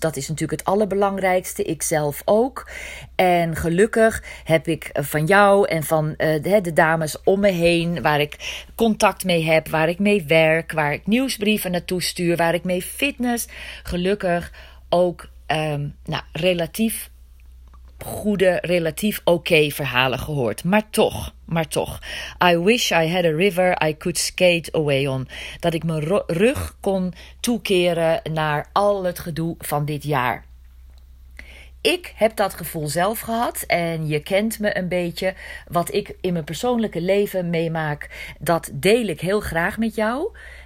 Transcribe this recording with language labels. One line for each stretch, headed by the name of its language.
Dutch: Dat is natuurlijk het allerbelangrijkste, ik zelf ook. En gelukkig heb ik van jou en van de dames om me heen, waar ik contact mee heb, waar ik mee werk, waar ik nieuwsbrieven naartoe stuur, waar ik mee fitness, gelukkig ook relatief goede, relatief oké verhalen gehoord. Maar toch.
English: I wish I had a river I could skate away on.
Dutch: Dat ik mijn rug kon toekeren naar al het gedoe van dit jaar. Ik heb dat gevoel zelf gehad en je kent me een beetje. Wat ik in mijn persoonlijke leven meemaak, dat deel ik heel graag met jou.